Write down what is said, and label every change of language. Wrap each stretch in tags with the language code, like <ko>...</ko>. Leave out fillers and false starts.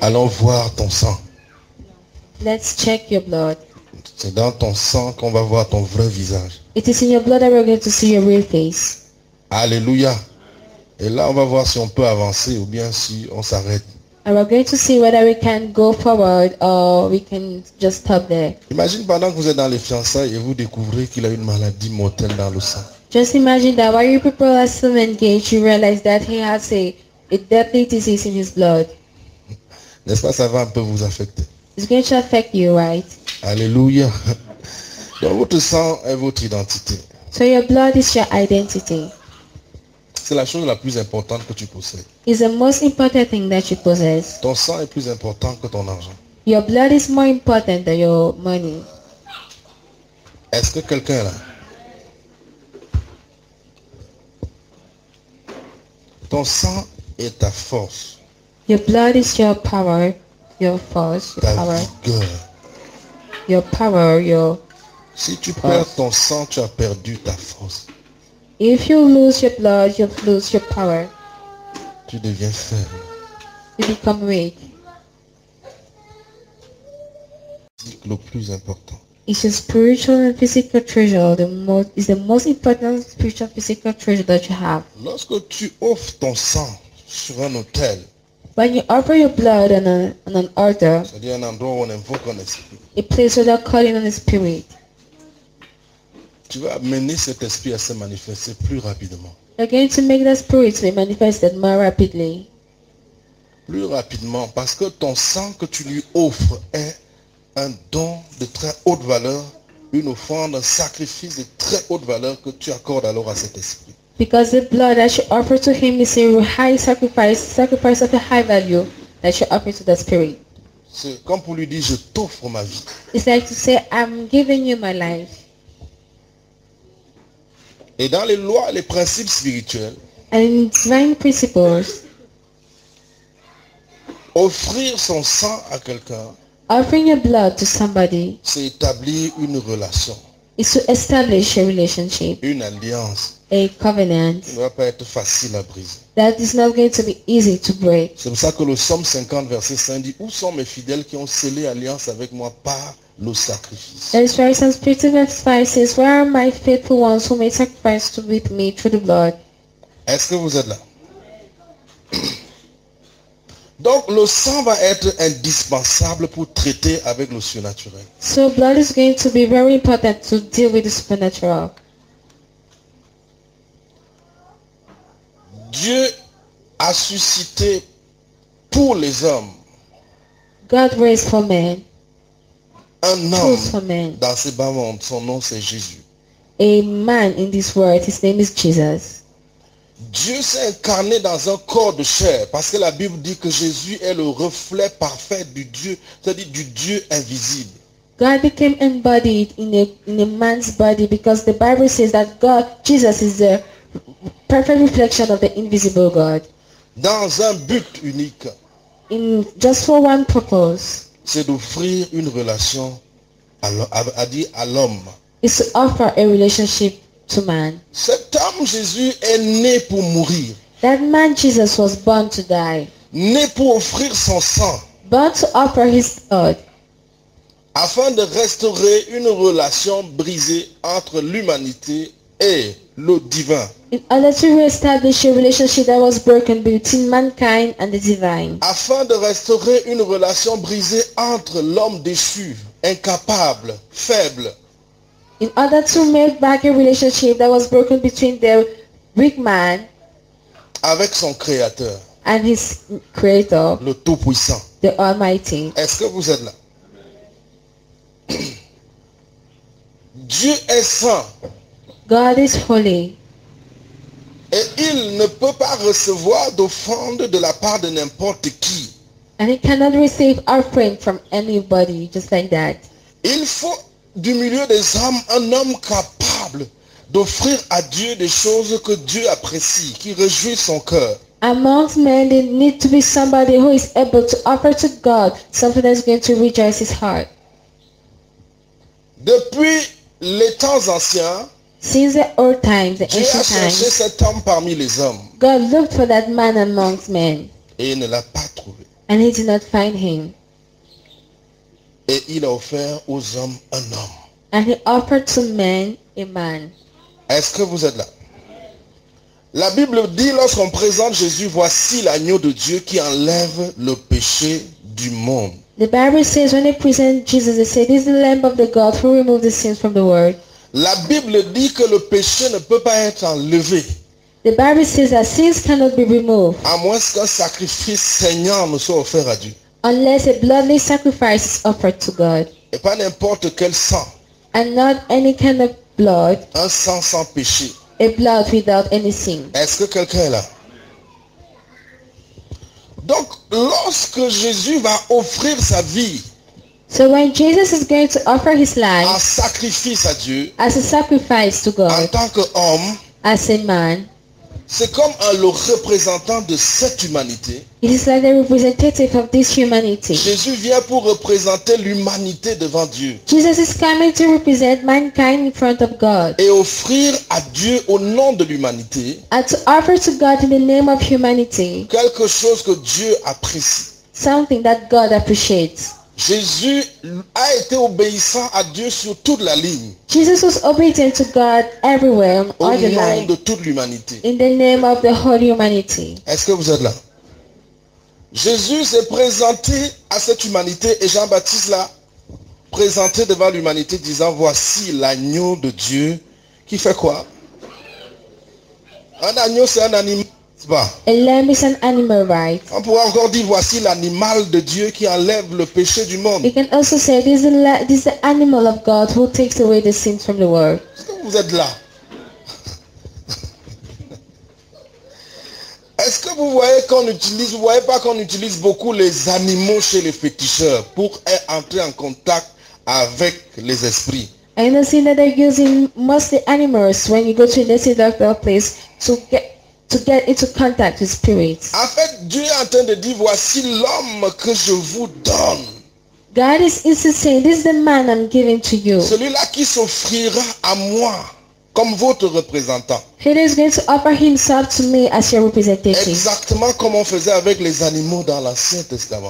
<fr>Allons voir ton sang.</fr> <en>Let's check your blood.</en> <fr>C'est dans ton sang qu'on va voir ton vrai visage.</fr> <en>It is in your blood that we're going to see your real face.</en> <fr>Alléluia. Et là, on va voir si on peut avancer ou bien si on s'arrête.</fr> <en>And we're going to see whether we can go forward or we can just stop there.</en> <fr>Imagine pendant que vous êtes dans les fiançailles et vous découvrez qu'il a une maladie mortelle dans le sang.</fr> <en>Just imagine that while you people are still engaged, you realize that he has a deadly disease in his blood.</en> <fr>N'est-ce pas, ça va un peu vous affecter?</fr> <en>It's going to affect you, right?</en> <fr>Alléluia. Donc votre sang est votre identité.</fr> <en>So your blood is your identity.</en> <fr>C'est la chose la plus importante que tu possèdes.</fr> <en>It's the most important thing that you possess.</en> <fr>Ton sang est plus important que ton argent.</fr> <en>Your blood is more important than your money.</en> <fr>Est-ce que quelqu'un est là? Ton sang est ta force.</fr> <en>Your blood is your power, your force, your</en> <fr>ta</fr> <en>power.</en> <fr>Vigueur.</fr> <en>Your power, your.</en> <fr>Si tu force. Perds ton sang, tu as perdu ta force.</fr> <en>If you lose your blood, you lose your power.</en> <fr>Tu deviens faible.</fr> <en>You become weak.</en> <fr>C'est le plus important.</fr> <en>It's your spiritual and physical treasure. It's the most important spiritual and physical treasure that you have.</en> <fr>Lorsque tu offres ton sang sur un autel.</fr> <en>When you offer your blood on an altar.</en> <fr>C'est-à-dire un endroit où on invoque un esprit.</fr> <en>A place where they're calling on the spirit.</en> <fr>Tu vas amener cet esprit à se manifester plus rapidement.</fr> <en>You're going to make that spirit be manifested more rapidly.</en> <fr>Plus rapidement, parce que ton sang que tu lui offres est un don de très haute valeur, une offrande, un sacrifice de très haute valeur que tu accordes alors à cet esprit.</fr> <en>Because the blood that you offer to him is a high sacrifice, sacrifice of a high value that you offer to the spirit.</en> <fr>C'est comme pour lui dire, je t'offre ma vie.</fr> <en>It's like to say, I'm giving you my life.</en> <fr>Et dans les lois, les principes spirituels,</fr> <en>and divine principles,</en> <fr>offrir son sang à quelqu'un,</fr> <en>offering your blood to somebody,</en> <fr>c'est établir une relation.</fr> <en>It's to establish a relationship.</en> <fr>Une alliance.</fr> <en>A covenant.</en> <fr>Ne va pas être facile à briser.</fr> <en>That is not going to be easy to break.</en> <fr>C'est pour ça que le Psaume 50 verset 5 dit, où sont mes fidèles qui ont scellé alliance avec moi par le sacrifice?</fr> <en>That is why Psalm 50 verse 5 says, where are my faithful ones who made sacrifice to with me through the blood?</en> <fr>Est-ce que vous êtes là? Donc le sang va être indispensable pour traiter avec le surnaturel.</fr> <en>So blood is going to be very important to deal with the supernatural.</en> <fr>Dieu a suscité pour les hommes.</fr> <en>God raised for men.</en> <fr>Un homme dans ce bas monde, son nom c'est Jésus.</fr> <en>A man in this world, his name is Jesus.</en> <fr>Dieu s'est incarné dans un corps de chair parce que la Bible dit que Jésus est le reflet parfait du Dieu, c'est-à-dire du Dieu invisible.</fr> <en>God became embodied in a man's body because the Bible says that God, Jesus, is the perfect reflection of the invisible God.</en> <fr>Dans un but unique.</fr> <en>In just for one purpose.</en> <fr>C'est d'offrir une relation à l'homme.</fr> <en>It's to offer a relationship. To man.</en> <fr>Cet homme Jésus est né pour mourir.</fr> <en>That man Jesus was born to die.</en> <fr>Né pour offrir son sang.</fr> <en>Born to offer his blood.</en> <fr>Afin de restaurer une relation brisée entre l'humanité et le divin.</fr> <en>In order to reestablish a relationship that was broken between mankind and the divine.</en> <fr>Afin de restaurer une relation brisée entre l'homme déchu, incapable, faible.</fr> <en>In order to make back a relationship that was broken between the weak man</en> <fr>avec son créateur</fr> <en>and his creator,</en> <fr>le tout-puissant,</fr> <en>the Almighty.</en> <fr>Est-ce que vous êtes là? Dieu est saint.</fr> <en>God is holy.</en> <fr>Et il ne peut pas recevoir d'offrande de la part de n'importe qui.</fr> <en>And he cannot receive offering from anybody, just like that.</en> <fr>Il faut du milieu des hommes, un homme capable d'offrir à Dieu des choses que Dieu apprécie, qui réjouit son cœur.</fr> <en>Amongst men, there need to be somebody who is able to offer to God something that's going to rejoice his heart.</en> <fr>Depuis les temps anciens,</fr> <en>since the old times, the ancient times,</en> <fr>Dieu a cherché cet homme parmi les hommes.</fr> <en>God looked for that man amongst men.</en> <fr>Et il ne l'a pas trouvé.</fr> <en>And he did not find him.</en> <fr>Et il a offert aux hommes un homme.</fr> <en>And he offered to men a man.</en> <fr>Est-ce que vous êtes là? La Bible dit, lorsqu'on présente Jésus, voici l'agneau de Dieu qui enlève le péché du monde.</fr> <en>The Bible says, when they present Jesus, they say, this is the Lamb of the God who removes the sins from the world.</en> <fr>La Bible dit que le péché ne peut pas être enlevé.</fr> <en>The Bible says that sins cannot be removed.</en> <fr>À moins qu'un sacrifice saignant ne soit offert à Dieu.</fr> <en>Unless a bloody sacrifice is offered to God.</en> <fr>Et pas n'importe quel sang.</fr> <en>And not any kind of blood.</en> <fr>Un sang sans péché.</fr> <en>A blood without anything.</en> <fr>Est-ce que quelqu'un est là? Donc, lorsque Jésus va offrir sa vie.</fr> <en>So when Jesus is going to offer his life.</en> <fr>En sacrifice à Dieu.</fr> <en>As a sacrifice to God.</en> <fr>En tant qu'homme.</fr> <en>As a man.</en> <fr>C'est comme un le représentant de cette humanité.</fr> <en>It is like a representative of this humanity.</en> <fr>Jésus vient pour représenter l'humanité devant Dieu.</fr> <en>Jesus is coming to represent mankind in front of God.</en> <fr>Et offrir à Dieu au nom de l'humanité.</fr> <en>And to offer to God in the name of humanity.</en> <fr>Quelque chose que Dieu apprécie.</fr> <en>Something that God appreciates.</en> <fr>Jésus a été obéissant à Dieu sur toute la ligne.</fr> <en>Jesus was obedient to God everywhere on all the line.</en> <fr>Au nom de toute l'humanité.</fr> <en>In the name of the whole humanity.</en> <fr>Est-ce que vous êtes là? Jésus s'est présenté à cette humanité et Jean-Baptiste l'a présenté devant l'humanité disant, voici l'agneau de Dieu qui fait quoi? Un agneau, c'est un animal.</fr> <en>A lamb is an animal, right?</en> <fr>On pourrait encore dire voici l'animal de Dieu qui enlève le péché du monde.</fr> <en>You can also say this is the animal of God who takes away the sins from the world.</en> <fr>Est-ce que vous êtes là? Est-ce que vous voyez qu'on utilise, vous voyez pas qu'on utilise beaucoup les animaux chez les féticheurs pour entrer en contact avec les esprits?</fr> <en>I don't see that they're using mostly animals when you go to the seductive place to get into contact with spirits.</en> <fr>En fait, Dieu est en train de dire, voici l'homme que je vous donne.</fr> <en>God is saying, this is the man I'm giving to you.</en> <fr>Celui-là qui s'offrira à moi comme votre représentant.</fr> <en>He is going to offer himself to me as your representative.</en> <fr>Exactement comme on faisait avec les animaux dans l'Ancien Testament.</fr>